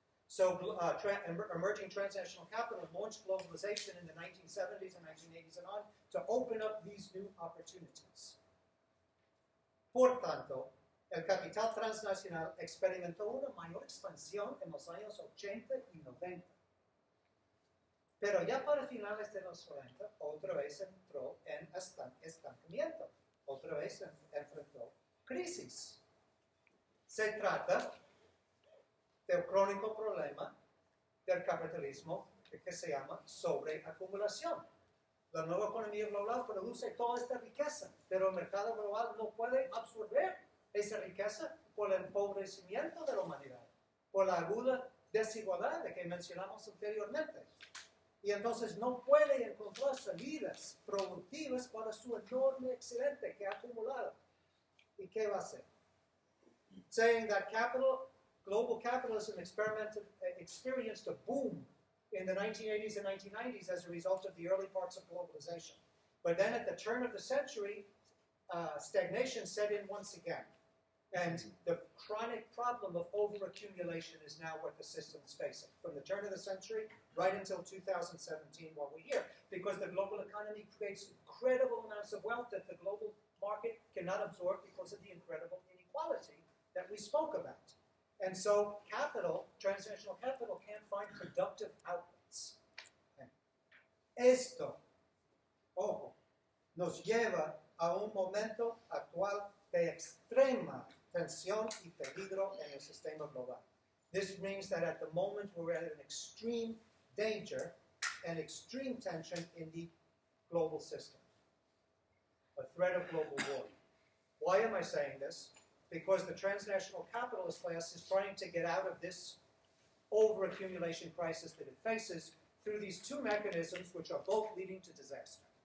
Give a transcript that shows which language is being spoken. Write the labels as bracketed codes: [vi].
[en] So emerging transnational capital launched globalization in the 1970s and 1980s and on to open up these new opportunities. [es] Por tanto, el capital transnacional experimentó una mayor expansión en los años 80 y 90. Pero ya para finales de los 90, otra vez entró en estancamiento, otra vez enfrentó crisis. Se trata del crónico problema del capitalismo que se llama sobreacumulación. La nueva economía global produce toda esta riqueza, pero el mercado global no puede absorber esa riqueza por el empobrecimiento de la humanidad, por la aguda desigualdad de que mencionamos anteriormente. Y entonces no puede encontrar salidas productivas para su enorme excedente que ha acumulado. ¿Y qué va a hacer? [en] Saying that capital, global capitalism experienced a boom in the 1980s and 1990s as a result of the early parts of globalization. But then at the turn of the century, stagnation set in once again. And the chronic problem of overaccumulation is now what the system is facing. From the turn of the century right until 2017, what we hear. Because the global economy creates incredible amounts of wealth that the global market cannot absorb because of the incredible inequality that we spoke about. And so capital, transnational capital, can't find productive outlets. [es] Esto, ojo, nos lleva a un momento actual de extrema tensión y peligro en el sistema global. [en] This means that at the moment we're at an extreme danger and extreme tension in the global system. A threat of global war. Why am I saying this? Because the transnational capitalist class is trying to get out of this overaccumulation crisis that it faces through these two mechanisms which are both leading to disaster.